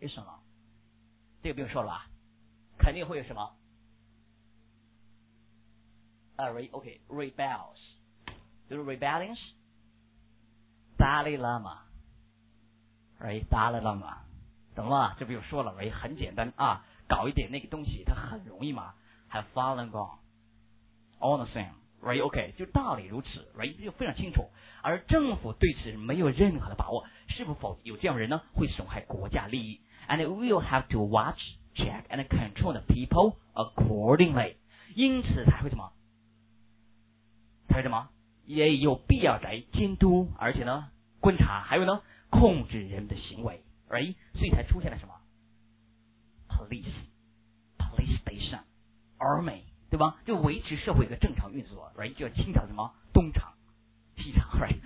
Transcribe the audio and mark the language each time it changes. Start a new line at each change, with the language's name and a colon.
Chinese: 为什么？这个不用说了吧？肯定会有什么 rebels， 就是 rebellions， Dalai Lama， right， Dalai Lama。懂了，这不就说了没？很简单啊，搞一点那个东西，它很容易嘛。
English: Have fallen gone, all the same, right? OK，
Chinese: 就道理如此
English: ，right？
Chinese: 就非常清楚。而政府对此没有任何的把握，是否有这样的人呢？会损害国家利益。
English: And we will have to watch, check, and control the people accordingly。
Chinese: 因此才会什么？才会什么？也有必要来监督，而且呢，观察，还有呢，控制人们的行为。 Right? 所以才出现了什么
English: police police station army，
Chinese: 对吧？就维持社会一个正常运作、right? 就要清剿什么东厂西厂、right?